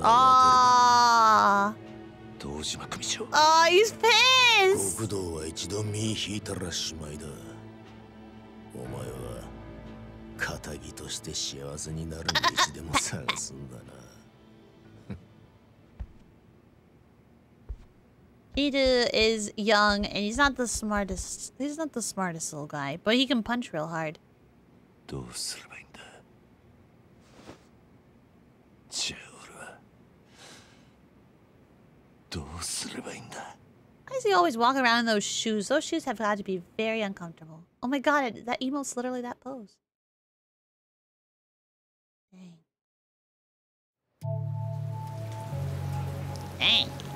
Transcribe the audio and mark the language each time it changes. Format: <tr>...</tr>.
<ja>は分かる。堂島組</ja> <en>長。Oh, he's pissed.</en> <ja>極道は一度身引いたらしまいだ。お前は仇として幸せになる道でも探すんだな。</ja> <en>Kiryu is young and he's not the smartest. He's not the smartest little guy, but he can punch real hard.</en> <ja>どうすればいいんだ。じゃあ俺はどうすればいいんだ。</ja> <en>Why is he always walking around in those shoes? Those shoes have got to be very uncomfortable. Oh my god, that emote's literally that pose. Dang. Dang.</en>